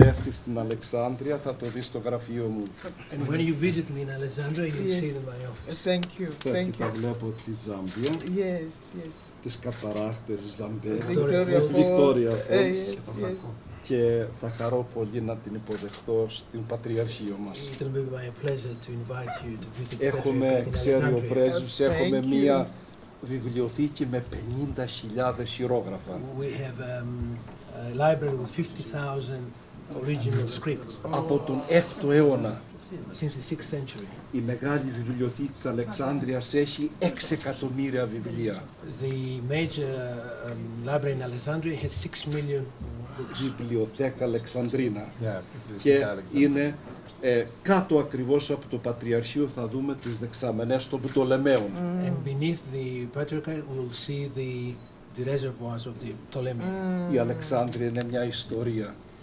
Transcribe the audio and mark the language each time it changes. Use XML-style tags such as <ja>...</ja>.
<el>Στην Αλεξάνδρεια θα το δεις στο γραφείο μου.</el> <en>And when you visit me in Alexandria, you'll see it in my office. Thank you, thank you.</en> <el>Θα βλέπω τη Ζάμπια.</el> <en>Yes, yes.</en> <el>Τις καταράκτες Ζάμπια.</el> <en>Victoria Falls. Victoria Falls. Yes, yes.</en> <el>Και θα χαρώ πολύ να την υποδεχτώ στην Πατριαρχείο μας.</el> <en>It'll be my pleasure to invite you to visit.</en> <el>Έχουμε, ξέρει ο πρέσβης, έχουμε μία βιβλιοθήκη με 50.000 χειρόγραφα.</el> <en>We have a library with 50,000 original scripts.</en> <el>Από τον 6ο αιώνα.</el> <en>Since the 6th century.</en> <el>Η μεγάλη βιβλιοθήκη της Αλεξάνδρειας έχει 6 εκατομμύρια βιβλία.</el> <en>The major library in Alexandria has 6 million books.</en> <el>Βιβλιοθέκα Αλεξανδρίνα. Και είναι κάτω ακριβώς από το Πατριαρχείο θα δούμε τις δεξαμενές των Πτολεμαίων.</el> <en>And beneath the Patriarchy we'll see the reservoirs of the Ptolemy.</en> <el>Η Αλεξάνδρεια είναι μια ιστορία.</el>